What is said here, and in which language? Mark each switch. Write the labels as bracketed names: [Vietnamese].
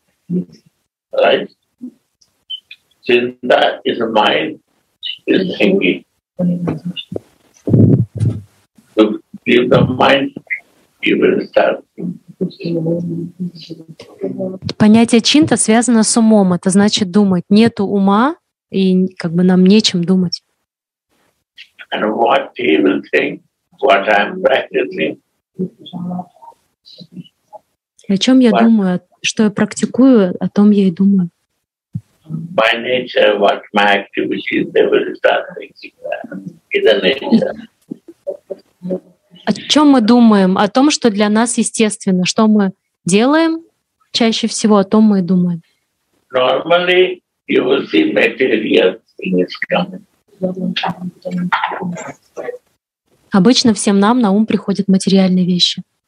[English] Right. Chinta is a mind, is thinking. To give the mind, you will start. [Russian] Понятие чинта связано с умом. Это значит думать. Нету ума, и как бы нам нечем думать. [English] And what he will think, what I'm practicing. [Russian] О чем я думаю, что я практикую, о том я и думаю. [English] By nature, what my activity is, they will start thinking that. It's a nature. [Russian] О чем мы думаем? О том, что для нас естественно. Что мы делаем чаще всего, о том мы и думаем. [English] Normally, you will see material things coming. [Russian] Обычно всем нам на ум приходят материальные вещи.